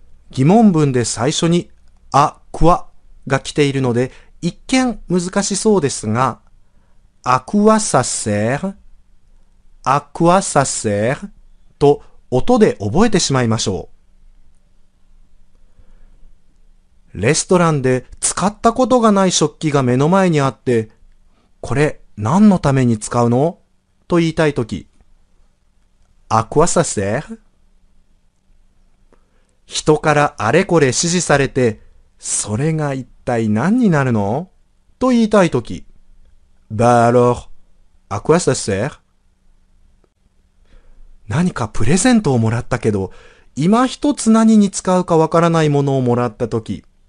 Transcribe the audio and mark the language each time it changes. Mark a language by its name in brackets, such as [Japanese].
[Japanese] 疑問文で最初に、à quoi が来ているので、一見難しそうですが、 [French] À quoi ça sert? À quoi ça sert? [Japanese] と音で覚えてしまいましょう。レストランで使ったことがない食器が目の前にあって、これ何のために使うの? と言いたいとき、 [French] À quoi ça sert? [Japanese] 人からあれこれ指示されて、それが一体何になるの？と言いたいとき。 [French] Bah alors, à quoi ça sert? [Japanese] 何かプレゼントをもらったけど、今一つ何に使うかわからないものをもらったとき。